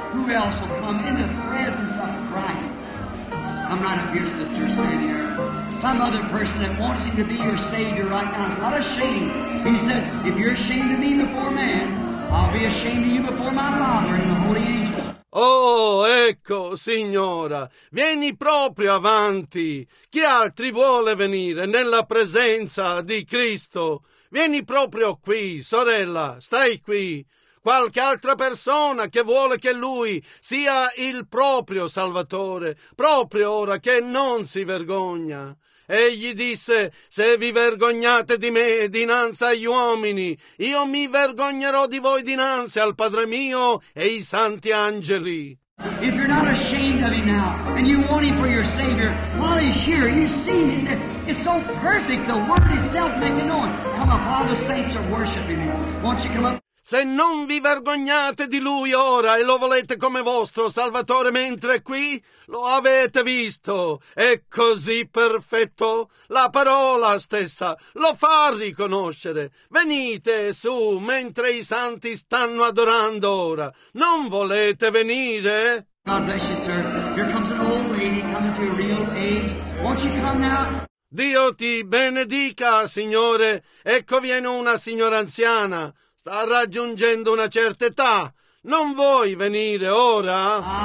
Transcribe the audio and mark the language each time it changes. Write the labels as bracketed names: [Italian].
[English] Who else will come in the presence of Christ? Come right up here, sister, stand here. Some other person that wants him to be your Savior right now is not ashamed. He said, if you're ashamed of me before man, I'll be ashamed of you before my Father and the holy angels. [Italian] Oh, ecco, signora, vieni proprio avanti. Chi altri vuole venire nella presenza di Cristo? Vieni proprio qui, sorella, stai qui. Qualche altra persona che vuole che lui sia il proprio Salvatore, proprio ora, che non si vergogna. Egli disse, se vi vergognate di me dinanzi agli uomini, io mi vergognerò di voi dinanzi al Padre mio e i santi angeli. [English] If you're not ashamed of him now, and you want him for your Savior, while he's here, you see, it's so perfect, the word itself making known. Come up, all the saints are worshiping him. Won't you come up? [Italian] Se non vi vergognate di lui ora e lo volete come vostro Salvatore mentre è qui, lo avete visto, è così perfetto, la parola stessa lo fa riconoscere. Venite su mentre i santi stanno adorando ora, non volete venire? [English] God bless you, sir. Here comes an old lady coming to a real age. Won't you come now? [Italian] Dio ti benedica, signore. Ecco viene una signora anziana. Sta raggiungendo una certa età. Non vuoi venire ora?